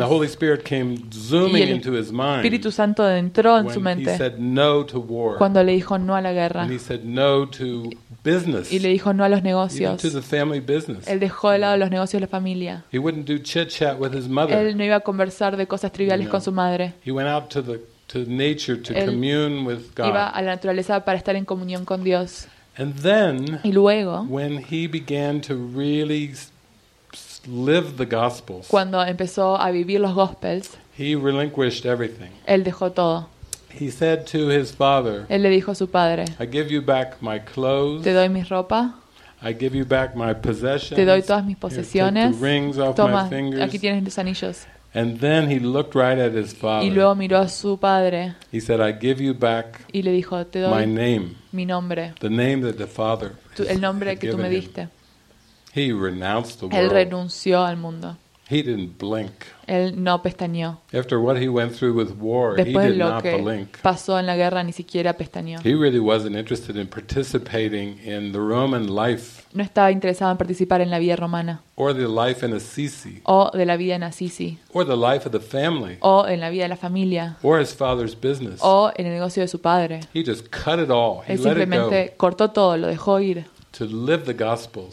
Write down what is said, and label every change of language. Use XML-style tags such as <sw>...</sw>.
<en>And the Holy Spirit came zooming into his mind.</en> <es>Y el Espíritu Santo entró en su mente.</es> <en>When he said no to war.</en> <es>Cuando le dijo no a la guerra.</es> <en>And he said no to business.</en> <es>Y le dijo no a los negocios.</es> <en>Even to the family business.</en> <es>Él dejó de lado los negocios de la familia.</es> <en>He wouldn't do chit-chat with his mother.</en> <es>Él no iba a conversar de cosas triviales con su madre.</es> <en>He went out to nature to commune with God.</en> <es>Iba a la naturaleza para estar en comunión con Dios.</es> <en>And then,</en> <es>y luego,</es> <en>when he began to really live the gospels,</en> <es>cuando empezó a vivir los gospels,</es> <en>he relinquished everything.</en> <es>Él dejó todo.</es> <en>He said to his father,</en> <es>él le dijo a su padre,</es> <en>I give you back my clothes.</en> <es>Te doy mis ropas.</es> <en>I give you back my possessions.</en> <es>Te doy todas mis posesiones.</es> <en>Here, take the rings</en> <es>Toma,</es> <en>off my fingers.</en> <es>Aquí tienes los anillos.</es> <en>And then he looked right at his father.</en> <es>Y luego miró a su padre.</es> <en>He said, I give you back</en> <es>y le dijo, te doy</es> <en>my name.</en> <es>Mi nombre.</es> <en>The name that the father</en> <es>tu, el nombre que tú me diste.</es> <en>He renounced the world.</en> <es>Él renunció al mundo.</es> <en>He didn't blink.</en> <es>Él no pestañeó.</es> <en>After what he went through with war,</en> <es>Después</es> <en>he did</en> <es>lo</es> <en>not</en> <es>que</es> <en>blink.</en> <es>Pasó en la guerra, ni siquiera pestañeó.</es> <en>He really wasn't interested in participating in the Roman life.</en> <es>No estaba interesado en participar en la vida romana.</es> <en>Or the life in Assisi.</en> <es>O de la vida en Assisi.</es> <en>Or the life of the family.</en> <es>O en la vida de la familia.</es> <en>Or his father's business.</en> <es>O en el negocio de su padre.</es> <en>He just cut it all. He</en> <es>Él simplemente</es> <en>let it go.</en> <es>Cortó todo, lo dejó ir.</es> <en>To live the gospels.</en>